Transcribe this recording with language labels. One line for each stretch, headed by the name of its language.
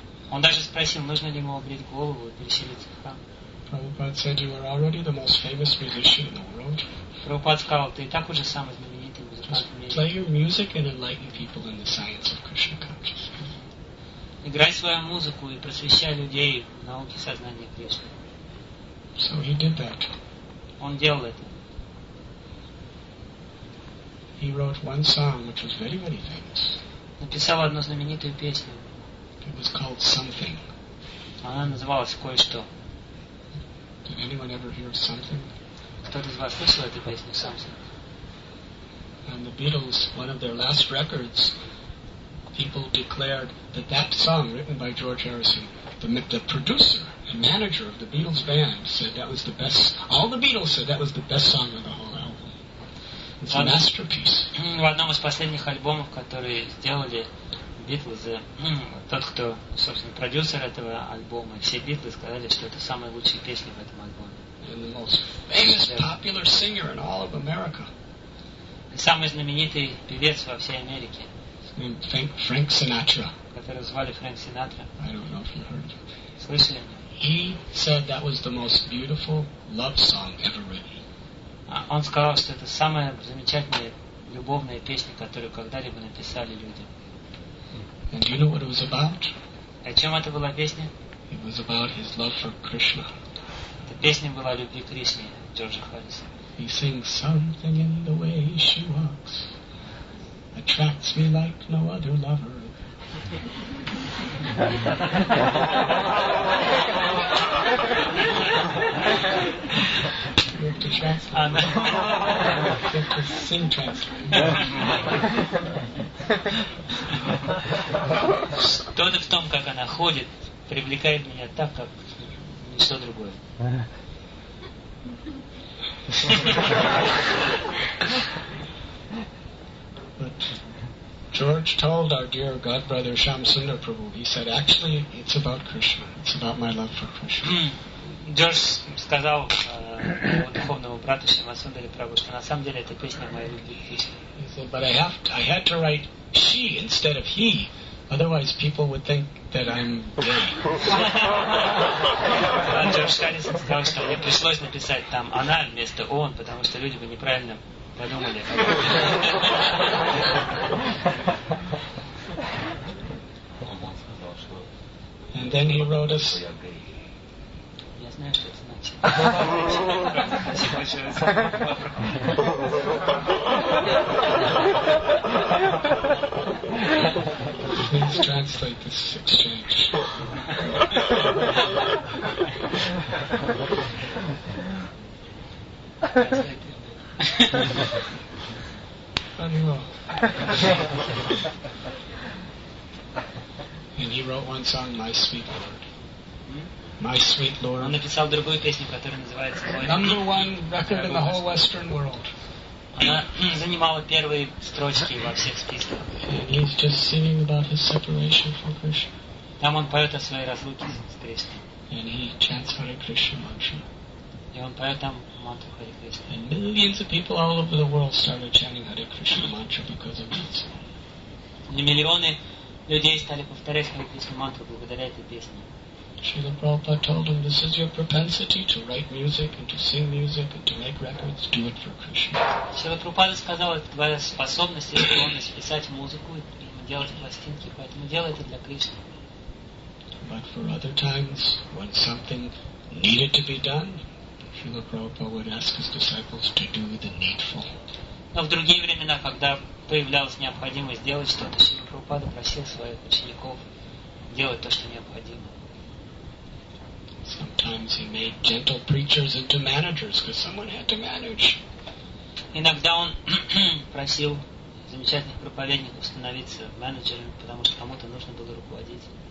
Russian: Он даже спросил, нужно ли ему обрить голову и переселиться в храм.
English: Prabhupada said, you are already the most famous musician in the world.
Russian: Prabhupada сказал, ты и так уже самый знаменитый музыкант в мире.
English: Play your music and enlighten people in the science of Krishna consciousness.
Russian: Играй свою музыку и просвещай людей в науке сознания Кришны.
English: So he did that.
Russian: Он делал это.
English: He wrote one song, which was very, very famous.
Russian: Написал одну знаменитую песню.
English: It was called Something.
Russian: Она называлась «Кое-что».
English: Did anyone ever hear Something?
Russian: Кто-то из вас слышал эту песню Something?
English: And the Beatles, one of their last records, people declared that that song written by George Harrison, the producer and manager of the Beatles band, said that was the best. All the Beatles said that was the best song on the whole album. It's a masterpiece.
Russian: В одном из последних альбомов, которые сделали Beatles, тот, кто, собственно, продюсер этого альбома, все Beatles сказали, что это самая лучшая песня в этом альбоме.
English: And the most famous popular singer in all of America.
Russian: И самый знаменитый певец во всей Америке.
English: Named Frank Sinatra.
Russian: Которого звали Фрэнк Синатра.
English: I don't know if you heard.
Russian: Слышали?
English: He said that was the most beautiful love song ever written.
Russian: Он сказал, что это самая замечательная любовная песня, которую когда-либо написали люди.
English: And do you know what it was about?
Russian: О чем это была песня?
English: It was about his love for Krishna.
Russian: Эта песня была о любви к Кришне Джорджа Харрисона.
English: He sings something in the way she walks. Attracts me like no other lover. You have to translate. Get the sing translate.
Russian: В том, как она ходит, привлекает меня так, как ничто другое.
English: But George told our dear God brother Shamsundar Prabhu, he said, actually, it's about Krishna. It's about my love for Krishna.
Russian: George сказал духовному брату Шамасундаре Прабху, что на самом деле эта песня моя любви к Кришне.
English: He said, but I had to write she instead of he, otherwise people would think that I'm gay.
Russian: George Harrison сказал, что мне пришлось написать там она вместо он, потому что люди бы неправильно подумали.
English: And then he wrote us.
Russian: Я знаю, что это значит.
English: Please translate this exchange. And he wrote one song, My Sweet Lord. My Sweet Lord.
Russian: Он написал другую песню, которая называется Мой.
English: Number one record in the whole Western world.
Russian: Она занимала первые строчки во всех списках.
English: And he's just singing about his separation from Krishna.
Russian: Там он поет о своей разлуке с Кришной.
English: And he chants Hare Krishna mantra.
Russian: И он поет там мантру Харе Кришна.
English: And millions of people all over the world started chanting Hare Krishna mantra because of that song.
Russian: И миллионы людей стали повторять Харе Кришна мантру благодаря этой песне.
English: Śrīla Prabhupāda told him, this is your propensity to write music and to sing music and to make records, do it for Krishna.
Russian: Śrīla Prabhupāda сказал, это твоя способность и склонность писать музыку и делать пластинки, поэтому делай это для Кришны.
English: But for other times, when something needed to be done, Śrīla Prabhupāda would ask his disciples to do the needful.
Russian: Но в другие времена, когда появлялась необходимость делать что-то, Śrīla Prabhupāda просил своих учеников делать то, что необходимо.
English: Sometimes he made gentle preachers into managers, because someone had to manage.
Russian: Иногда он просил замечательных проповедников становиться менеджерами, потому что кому-то нужно было руководить.